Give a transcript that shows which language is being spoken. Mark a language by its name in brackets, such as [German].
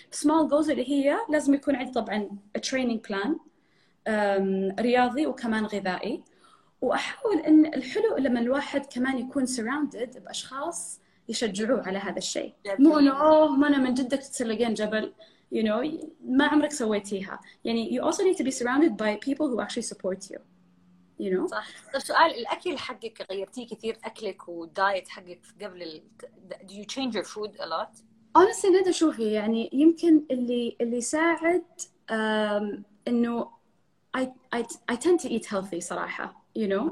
[English] Small goals [Arabic] اللي هي لازم يكون عندي طبعاً [English] a training plan [Arabic] رياضي وكمان غذائي. وأحاول إن الحلو لما الواحد كمان يكون [English] surrounded [Arabic] بأشخاص يشجعوه على هذا الشيء. مو إنه أوه ما أنا من جدك تسلقين جبل, [English] you know, [Arabic] ما عمرك سويتيها. يعني [English] you also need to be surrounded by people who actually support you. You know? [Arabic] صح. طب سؤال الأكل حقك غيرتي كثير أكلك ودايت حقك قبل ال... [English] Do you change your food a lot? Honestly, [Arabic] ندى شوفي يعني يمكن اللي ساعد إنه [English] I tend to eat healthy [Arabic] صراحة [English] you know.